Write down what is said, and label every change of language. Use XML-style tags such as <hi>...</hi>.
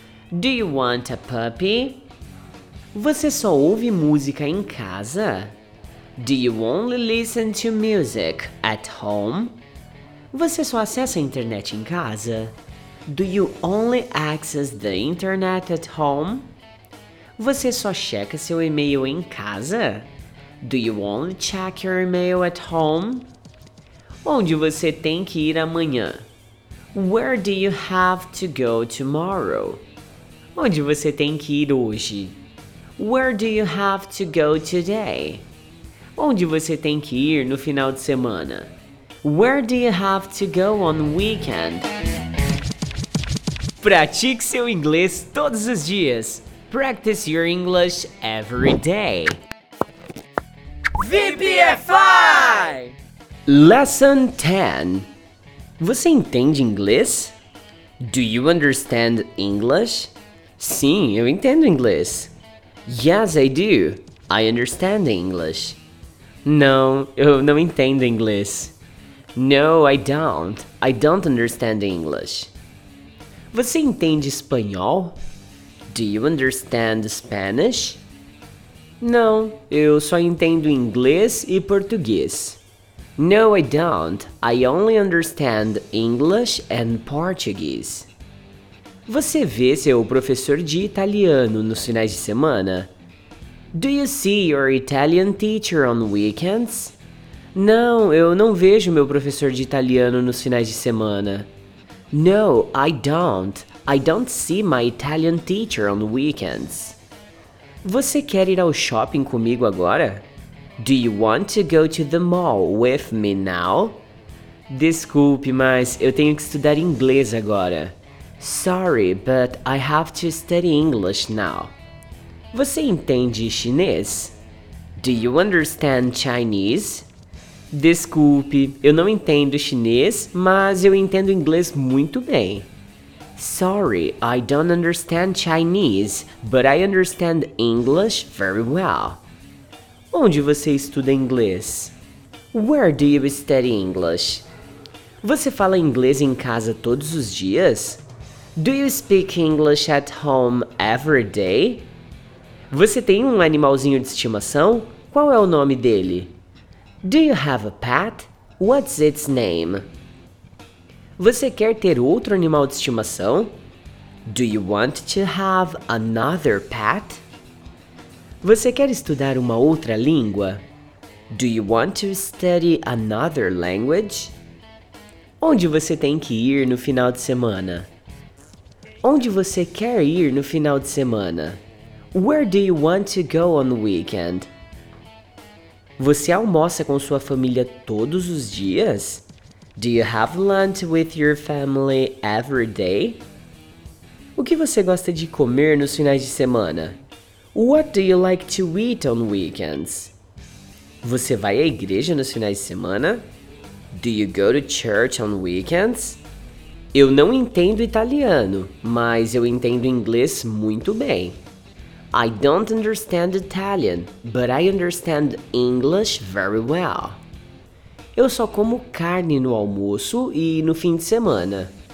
<en>Do you want a puppy?</en> <pt>Você só ouve música em casa?</pt> <en>Do you only listen to music at home?</en> <pt>Você só acessa a internet em casa?</pt> <en>Do you only access the internet at home?</en> <pt>Você só checa seu e-mail em casa?</pt> <en>Do you only check your email at home?</en> <pt>Onde você tem que ir amanhã?</pt> <en>Where do you have to go tomorrow?</en> <pt>Onde você tem que ir hoje?</pt> <en>Where do you have to go today?</en> <pt>Onde você tem que ir no final de semana?</pt> <en>Where do you have to go on weekend?</en> <pt>Pratique seu inglês todos os dias.</pt> <en>Practice your English every day. VPFI! Lesson 10.</en> <pt>Você entende inglês?</pt> <en>Do you understand English?</en> <pt>Sim, eu entendo inglês.</pt> <en>Yes, I do. I understand English.</en> <pt>Não, eu não entendo inglês.</pt> <en>No, I don't. I don't understand English.</en> <pt>Você entende espanhol?</pt> <en>Do you understand Spanish?</en> <pt>Não, eu só entendo inglês e português.</pt> <en>No, I don't. I only understand English and Portuguese.</en> <pt>Você vê seu professor de italiano nos finais de semana?</pt> <en>Do you see your Italian teacher on weekends?</en> <pt>Não, eu não vejo meu professor de italiano nos finais de semana.</pt> <en>No, I don't. I don't see my Italian teacher on weekends.</en> <pt>Você quer ir ao shopping comigo agora?</pt> <en>Do you want to go to the mall with me now?</en> <pt>Desculpe, mas eu tenho que estudar inglês agora.</pt> <en>Sorry, but I have to study English now.</en> <pt>Você entende chinês?</pt> <en>Do you understand Chinese?</en> <pt>Desculpe, eu não entendo chinês, mas eu entendo inglês muito bem.</pt> <en>Sorry, I don't understand Chinese, but I understand English very well.</en> <pt>Onde você estuda inglês?</pt> <en>Where do you study English?</en> <pt>Você fala inglês em casa todos os dias?</pt> <en>Do you speak English at home every day?</en> <pt>Você tem um animalzinho de estimação? Qual é o nome dele?</pt> <en>Do you have a pet? What's its name?</en> <pt>Você quer ter outro animal de estimação?</pt> <en>Do you want to have another pet?</en> <pt>Você quer estudar uma outra língua?</pt> <en>Do you want to study another language?</en> <pt>Onde você tem que ir no final de semana? Onde você quer ir no final de semana?</pt> <en>Where do you want to go on the weekend?</en> <pt>Você almoça com sua família todos os dias?</pt> <en>Do you have lunch with your family every day?</en> <pt>O que você gosta de comer nos finais de semana?</pt> <en>What do you like to eat on weekends?</en> <pt>Você vai à igreja nos finais de semana?</pt> <en>Do you go to church on weekends?</en> <pt>Eu não entendo italiano, mas eu entendo inglês muito bem.</pt> <en>I don't understand Italian, but I understand English very well.</en> <pt>Eu só como carne no almoço e no fim de semana.</pt>